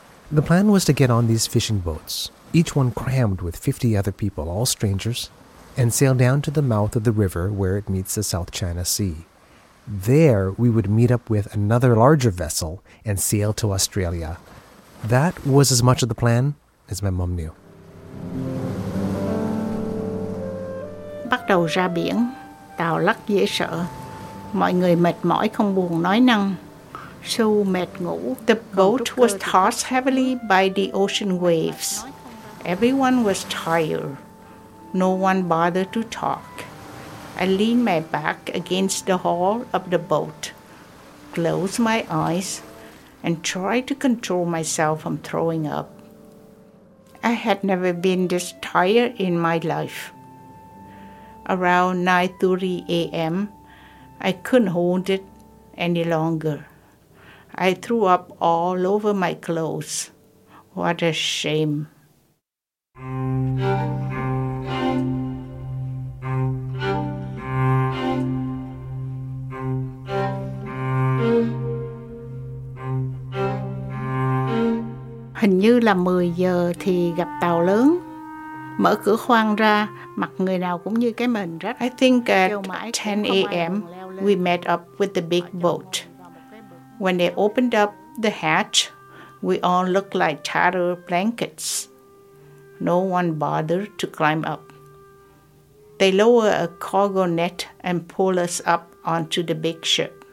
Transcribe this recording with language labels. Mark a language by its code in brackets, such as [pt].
[en] The plan was to get on these fishing boats, each one crammed with 50 other people, all strangers, and sail down to the mouth of the river where it meets the South China Sea. There, we would meet up with another larger vessel and sail to Australia. That was as much of the plan as my mom knew. [vi] Bắt đầu ra biển, tàu lắc dễ sợ. Mọi người mệt mỏi không buồn nói năng. Sâu mệt ngủ. [en] The boat was tossed heavily by the ocean waves. Everyone was tired. No one bothered to talk. I leaned my back against the hull of the boat, closed my eyes, and tried to control myself from throwing up. I had never been this tired in my life. Around 9:30 a.m., I couldn't hold it any longer. I threw up all over my clothes. What a shame. [vi] Hình như là 10 giờ thì gặp tàu lớn, mở cửa khoang ra, mặt người nào cũng như cái mình rất. [en] I think at 10 a.m. we met up with the big boat. When they opened up the hatch, we all looked like tattered blankets. No one bothered to climb up. They lowered a cargo net and pulled us up onto the big ship.